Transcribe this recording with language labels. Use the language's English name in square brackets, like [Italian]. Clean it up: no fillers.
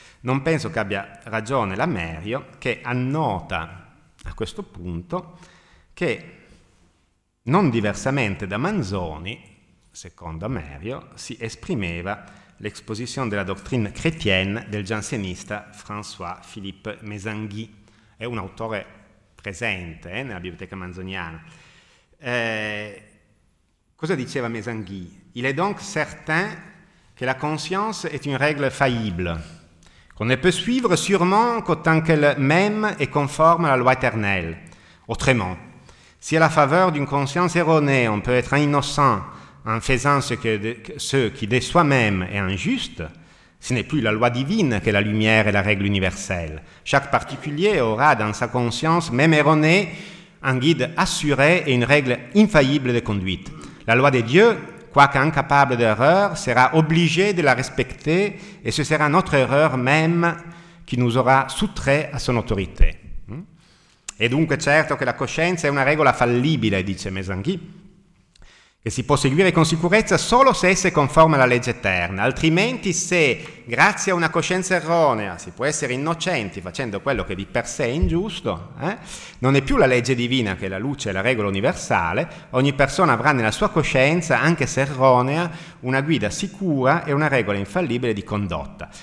[Italian] Non penso che abbia ragione Lamerio, che annota a questo punto che, non diversamente da Manzoni, secondo Lamerio, si esprimeva [French] l'exposition de la doctrine chrétienne [Italian] del giansenista François-Philippe Mézenguy, è un autore presente nella biblioteca manzoniana. Cosa diceva Mézenguy? [French] Il est donc certain que la conscience est une règle faillible, qu'on ne peut suivre sûrement qu'autant qu'elle même est conforme à la loi éternelle. Autrement, si à la faveur d'une conscience erronée on peut être innocent en faisant ce qui de soi-même est injuste, ce n'est plus la loi divine que la lumière et la règle universelle. Chaque particulier aura dans sa conscience, même erronée, un guide assuré et une règle infaillible de conduite. La loi de Dieu, quoique incapable d'erreur, sera obligée de la respecter et ce sera notre erreur même qui nous aura soustrait à son autorité. [Italian] E dunque certo che la coscienza è una regola fallibile, dice Mézenguy, che si può seguire con sicurezza solo se esse conforme alla legge eterna, altrimenti se, grazie a una coscienza erronea, si può essere innocenti facendo quello che di per sé è ingiusto, non è più la legge divina che è la luce e la regola universale, ogni persona avrà nella sua coscienza, anche se erronea, una guida sicura e una regola infallibile di condotta.